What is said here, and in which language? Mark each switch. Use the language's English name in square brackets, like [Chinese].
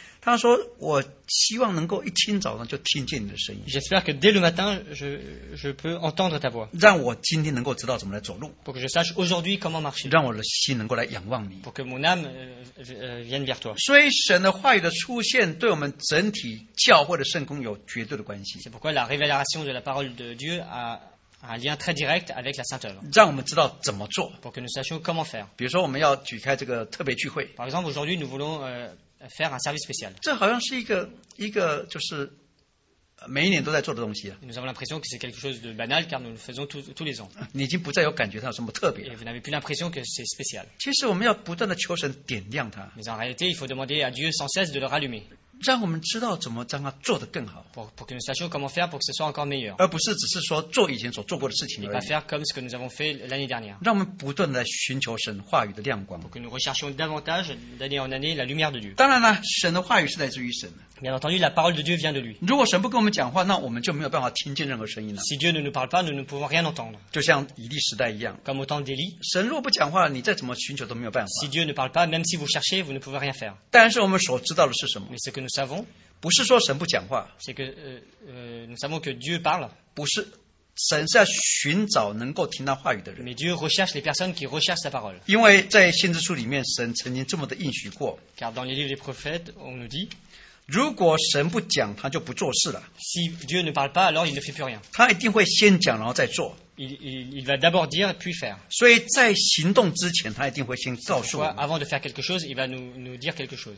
[Chinese] 他说我希望能够一清早上就听见你的声音。 [French] J'espère que dès le matin, je peux entendre ta voix. [Chinese] 让我今天能够知道怎么来走路。 [French] Pour que je sache aujourd'hui comment marcher. [Chinese] 让我的心能够来仰望你。 [French] Pour que mon âme vienne vers toi. [Chinese] 所以神的话语的出现对我们整体教会的圣工有绝对的关系。 [French] C'est pourquoi la révélation de la parole de Dieu a un lien très direct avec la Sainte œuvre. [Chinese] 让我们知道怎么做。 [French] Pour que nous sachions comment faire. [Chinese] 比如说我们要举开这个特别聚会。 [French] Par exemple, aujourd'hui, nous voulons faire un service spécial. [Chinese] 这好像是一个就是每一年都在做的东西、啊。 [French] Nous avons l'impression que c'est quelque chose de banal car nous le faisons tous les ans. [Chinese] 你已经不再有感觉它有什么特别了。 [French] Et vous n'avez plus l'impression que c'est spécial. [Chinese] 其实我们要不断的求神点亮它。 [French] Mais en réalité, il faut demander à Dieu sans cesse de le rallumer. [Chinese] 让我们知道怎么将它做得更好。 [French] Pour que nous sachions comment faire pour que ce soit encore meilleur. [Chinese] 而不是只是说做以前所做过的事情而已。 [French] Et pas faire comme ce que nous avons fait l'année dernière. [Chinese] 让我们不断的寻求神话语的亮光。 [French] Pour que nous recherchions davantage d'année en année la lumière de Dieu. [Chinese] 当然了，神的话语是来自于神的。 [French] Bien entendu, la parole de Dieu vient de lui. [Chinese] 如果神不跟我们讲话，那我们就没有办法听见任何声音了。 [French] Si Dieu ne nous parle pas, nous ne pouvons rien entendre. [Chinese] 就像以利时代一样。 [French] Comme au temps d'Élie. [Chinese] 神若不讲话，你再怎么寻求都没有办法。 [French] Si Dieu ne parle pas, même si vous cherchez, vous ne pouvez rien faire. [Chinese] 但是我们所知道的是什么？ [French] Mais ce que nous savons. [Chinese] 不是说神不讲话。 [French] C'est que nous savons que Dieu parle. [Chinese] 不是，神是要寻找能够听他话语的人。 [French] Mais Dieu recherche les personnes qui recherchent sa parole. [Chinese] 因为在先知书里面，神曾经这么的应许过。 [French] Car dans les livres des prophètes, on nous dit. [Chinese] 如果神不讲，他就不做事了。 [French] Si Dieu ne parle pas, alors il ne fait plus rien. [Chinese] 他一定会先讲，然后再做。 [French] Il va d'abord dire, puis faire. [Chinese] 所以在行动之前，他一定会先告诉我们。 [French] Avant de faire quelque chose, il va nous dire quelque chose.